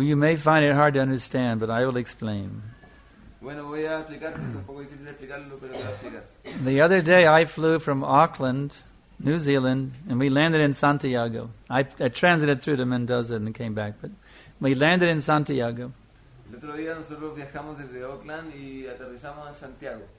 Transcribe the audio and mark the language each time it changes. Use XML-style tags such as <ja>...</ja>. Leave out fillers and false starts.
<en>You may find it hard to understand, but I will explain.</en> <es>Bueno, voy a explicarte, es un poco difícil explicarlo, pero voy a explicar.</es> <en>The other day I flew from Auckland, New Zealand, and we landed in Santiago. I transited through to Mendoza and came back, but we landed in Santiago.</en> <es>El otro día nosotros viajamos desde Auckland y aterrizamos en Santiago.</es>